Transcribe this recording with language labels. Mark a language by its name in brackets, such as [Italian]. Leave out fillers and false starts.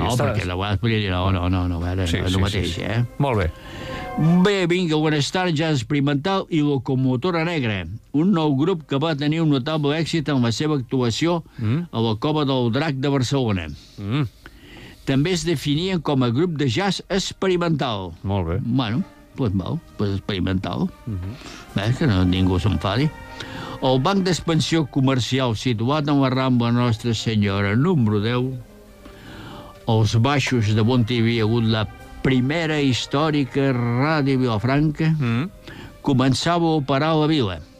[Catalan] no, perquè la vegada es podria dir, no, a veure, sí, el mateix, sí. Molt bé. Bé, vinga, Buenestar, ja experimental i Locomotora Negra, un nou grup que va tenir un notable èxit en la seva actuació a la Cova del Drac de Barcelona. També es definien com a grup de jazz experimental. Molt bé. [Spanish] Bueno, pues mal, pues experimental. [Catalan] Ves que no, ningú s'enfadi. El Banc d'Expansió Comercial, situat en la Rambla Nostra Senyora número 10, als baixos de on hi havia hagut la primera històrica Ràdio Vilafranca, començava a operar a la vila.